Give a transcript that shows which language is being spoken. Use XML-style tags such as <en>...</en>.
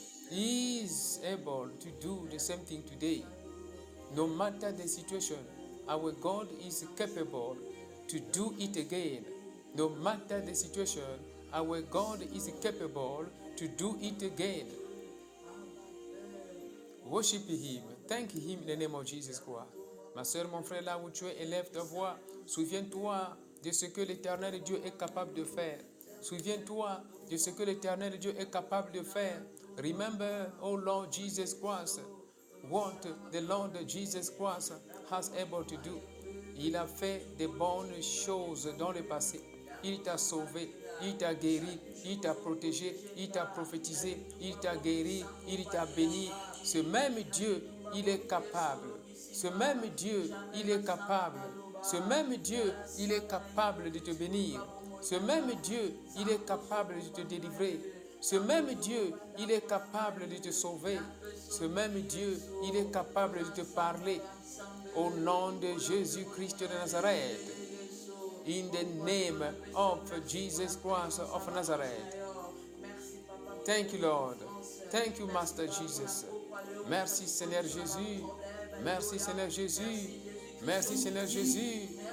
<en>He is able to do the same thing today. No matter the situation, our God is capable to do it again. No matter the situation, our God is capable to do it again. Worship Him. Thank Him in the name of Jesus Christ.</en> <fr>Ma soeur, mon frère, là où tu es, élève ta voix. Souviens-toi de ce que l'Éternel Dieu est capable de faire. Souviens-toi de ce que l'Éternel Dieu est capable de faire.</fr> <en>Remember, O Lord Jesus Christ, what the Lord Jesus Christ has able to do.</en> <fr>Il a fait de bonnes choses dans le passé. Il t'a sauvé, il t'a guéri, il t'a protégé, il t'a prophétisé, il t'a guéri, il t'a béni. Ce même Dieu, il est capable. Ce même Dieu, il est capable. Ce même Dieu, il est capable de te bénir. Ce même Dieu, il est capable de te délivrer. Ce même Dieu, il est capable de te sauver. Ce même Dieu, il est capable de te parler. Au nom de Jésus-Christ de Nazareth.</fr> <en>In the name of Jesus Christ of Nazareth. Thank you, Lord. Thank you, Master Jesus.</en> <fr>Merci, Seigneur Jésus. Merci, Seigneur Jésus. Merci, Seigneur Jésus.</fr>